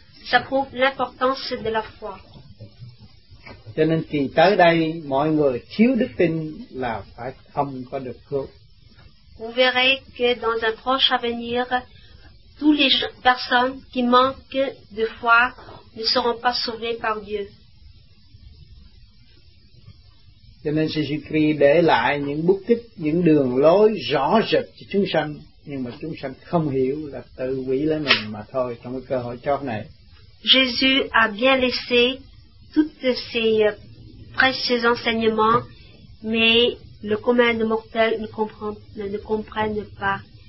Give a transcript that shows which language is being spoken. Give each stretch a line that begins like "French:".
French: Ça prouve l'importance de la foi.
Vietnamese: Cho nên kỳ tới đây, mọi người thiếu đức tin là phải không có được cứu.
French: Vous verrez que dans un proche avenir, Toutes les personnes qui manquent de foi ne seront pas sauvées par Dieu.
Vietnamese: Cho nên Jésus-Christ để lại những bút tích, những đường lối rõ rệt cho chúng sanh, nhưng mà chúng sanh không hiểu là tự quỷ lấy mình mà thôi trong cái cơ hội chót này.
French: Jésus a bien laissé toutes ces précieux enseignements, mais le commun des mortels ne comprennent pas.